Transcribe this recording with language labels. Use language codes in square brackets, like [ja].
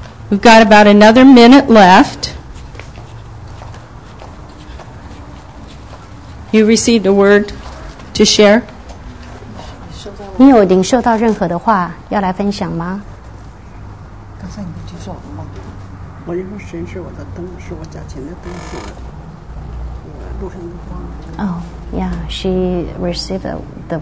[en] We've got about another minute left. You received a word to share? [zh] 你有领受到任何的话要来分享吗？刚才你不就说了吗？我认为神是我的灯，是我脚前的灯，是我路上的光。 [en] Oh, yeah, she received the word.